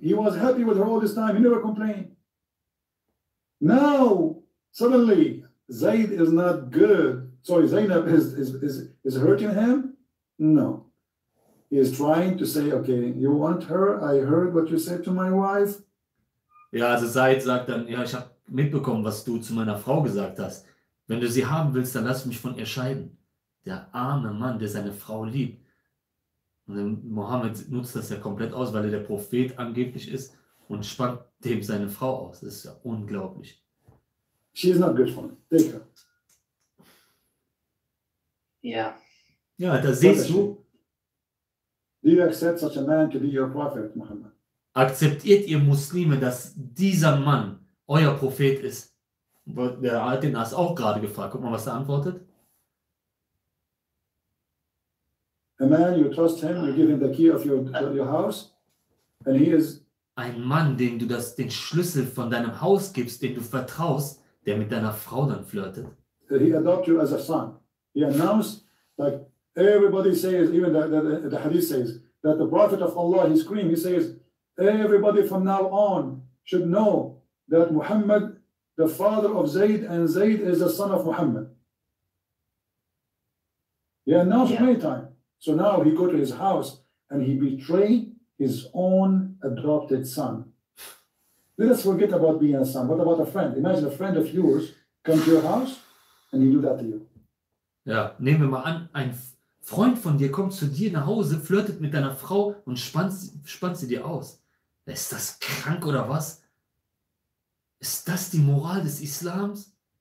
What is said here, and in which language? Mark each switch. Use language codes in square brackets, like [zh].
[en] He was happy with her all this time. He never complained. Now, suddenly, Zayd is not good. Sorry, Zaynab is hurting him? No. He is trying to say, okay, you want her? I heard what you said to my wife. [de] Ja, also Zayd sagt dann, ja, ich habe mitbekommen, was du zu meiner Frau gesagt hast. Wenn du sie haben willst, dann lass mich von ihr scheiden. Der arme Mann, der seine Frau liebt. Und Mohammed nutzt das ja komplett aus, weil er der Prophet angeblich ist. Und spannt dem seine Frau aus. Das ist ja unglaublich. [en] She is not good for me. Take her. Yeah. [de] Ja, da siehst du. [en] Do you accept such a man to be your prophet, Muhammad? [de] Akzeptiert ihr Muslime, dass dieser Mann euer Prophet ist? Der hat den Ass auch gerade gefragt. Guck mal, was er antwortet. [en] A man, you trust him, you give him the key of your house, and he is. [de] Ein Mann, dem du das, den Schlüssel von deinem Haus gibst, den du vertraust, der mit deiner Frau dann flirtet. [en] He adopts you as a son. He announced, like everybody says, even the Hadith says, that the Prophet of Allah, he screamed, he says, everybody from now on should know that Muhammad, the father of Zayd, and Zayd is the son of Muhammad. He announced many times. So now he goes to his house and he betrayed his own adopted son. Let us forget about being a son. What about a friend? Imagine a friend of yours comes to your house and he do that to you. [de] Ja, nehmen wir mal an, ein Freund von dir kommt zu dir nach Hause, flirtet mit deiner Frau und spannt sie dir aus. Ist das krank oder was? Ist das die Moral des Islams?